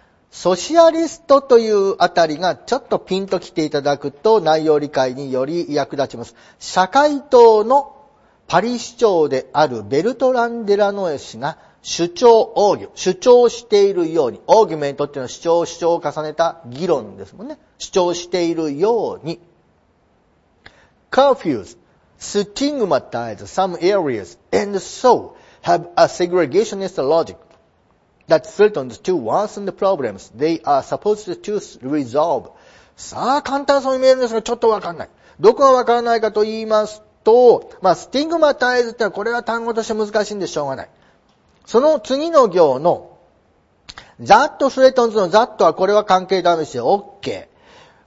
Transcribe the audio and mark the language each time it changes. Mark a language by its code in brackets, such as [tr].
[ja] ソシアリストというあたりがちょっとピンと来ていただくと内容理解により役立ちます。社会党のパリ市長であるベルトラン・デラノエ氏が主張、主張しているように、オーギュメントっていうのは主張を重ねた議論ですもんね。主張しているように。Curfews. [en] Stigmatize some areas and so have a segregationist logic that threatens to worsen the problems they are supposed to resolve. [ja] さあ、簡単そうに見えるんですが、ちょっとわかんない。どこがわからないかと言いますと、まあ、stigmatize ってのはこれは単語として難しいんでしょうがない。その次の行の [en] that threatens [ja] の that はこれは関係ダメージで OK。